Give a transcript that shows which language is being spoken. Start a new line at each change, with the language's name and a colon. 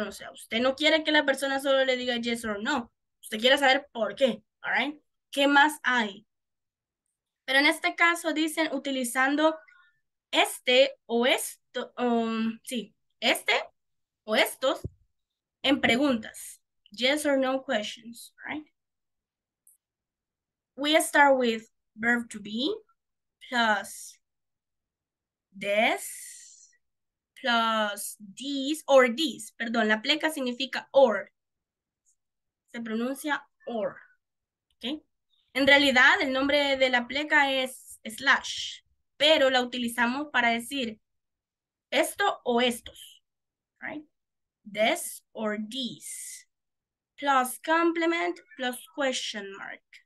Spanish: O sea, usted no quiere que la persona solo le diga
English: yes or no.
Spanish: Usted quiere saber por qué,
English: all right?
Spanish: ¿Qué más hay? Pero en este caso dicen utilizando este o esto, sí, este o estos en preguntas.
English: Yes or no questions, right? We start with verb to be plus this plus these or these.
Spanish: Perdón, la pleca significa or. Se pronuncia or. Okay. En realidad, el nombre de la pleca es slash, pero la utilizamos para decir esto o estos.
English: Right? This or these plus complement plus question mark.